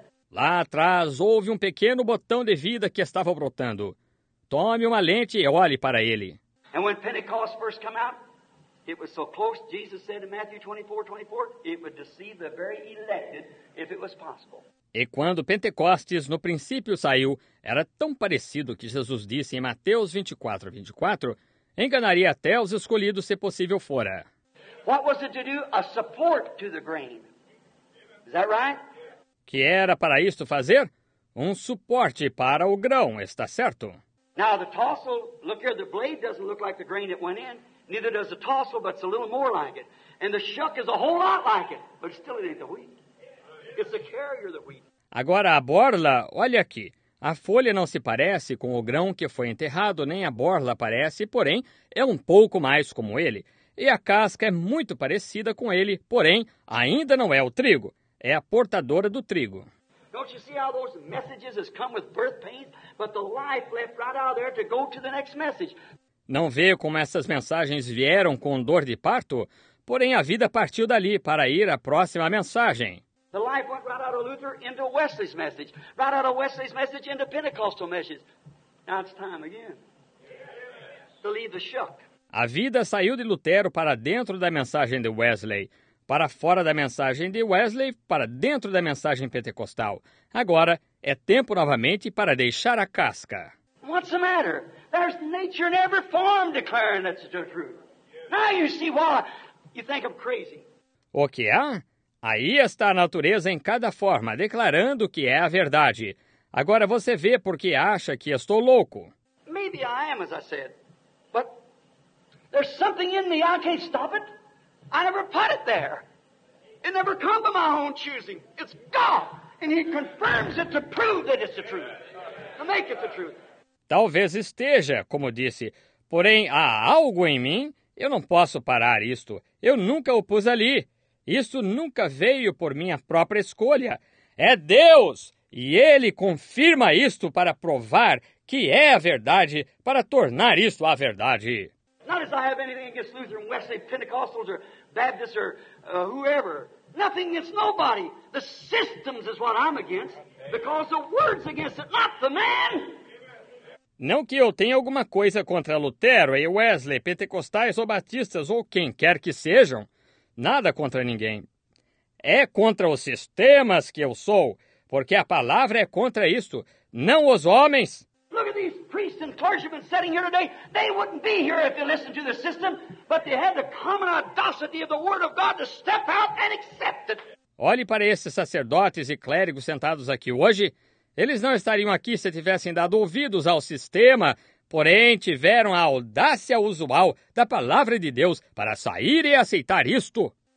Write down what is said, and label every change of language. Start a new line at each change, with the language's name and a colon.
Portuguese: Lá atrás, houve um pequeno botão de vida que estava brotando. Tome uma lente e olhe para ele.
English: And when Pentecost first came out, it was so close, Jesus said in Matthew 24:24, it would deceive the very elected if it was possible.
Portuguese: E quando Pentecostes, no princípio, saiu, era tão parecido que Jesus disse em Mateus 24:24, enganaria até os escolhidos se possível fora.
English: What was it to do? A support to the grain. Is that right?
Portuguese: Que era para isto fazer? Um suporte para o grão, está certo?
English: Now the tassel, look here, the blade doesn't look like the grain that went in. Neither does the tassel, but it's a little more like it. And the shuck is a whole lot like it, but still it ain't the wheat. It's the carrier of the wheat.
Portuguese: Agora a borla, olha aqui. A folha não se parece com o grão que foi enterrado, nem a borla parece, porém é um pouco mais como ele. E a casca é muito parecida com ele, porém ainda não é o trigo, é a portadora do trigo.
English: Don't you see how those messages has come with birth pains, but the life left right out there to go to the next message?
Portuguese: Não vê como essas mensagens vieram com dor de parto, porém a vida partiu dali para ir à próxima mensagem.
English: The life went right out of Luther into Wesley's message, right out of Wesley's message into Pentecostal message. Now it's time again to leave the shuck.
Portuguese: A vida saiu de Lutero para dentro da mensagem de Wesley, para fora da mensagem de Wesley, para dentro da mensagem pentecostal. Agora é tempo novamente para deixar a casca.
English: What's the matter? There's nature in every form declaring that's the truth. Now you see why you think I'm crazy.
Portuguese: O que é? Aí está a natureza em cada forma, declarando que é a verdade. Agora você vê porque acha que estou louco.
English: Maybe I am, as I said. There's something in me, I can't stop it. I never put it there. It never come by my own choosing. It's God, and He confirms it to prove that it's the truth, to make it the truth.
Portuguese: Talvez esteja, como disse, porém há algo em mim, eu não posso parar isto. Eu nunca o pus ali. Isto nunca veio por minha própria escolha. É Deus, e Ele confirma isto para provar que é a verdade, para tornar isto a verdade.
English: Not as I have anything against Lutheran, Wesley, Pentecostals, or Baptists, or whoever. Nothing against nobody. The systems is what I'm against, because the word's against it, not the man.
Portuguese: Não que eu tenha alguma coisa contra Lutero e Wesley, Pentecostais ou Batistas, ou quem quer que sejam. Nada contra ninguém. É contra os sistemas que eu sou, porque a palavra é contra isto, não os homens.
English: Look at these priests and clergymen sitting here today. They wouldn't be here if they listened to the system, but they had the common audacity of the Word of God to step out and accept it.
Portuguese: Olhe para esses sacerdotes e clérigos sentados aqui hoje. Eles não estariam aqui se tivessem dado ouvidos ao sistema, porém tiveram a audácia usual da palavra de Deus para sair e aceitar isto.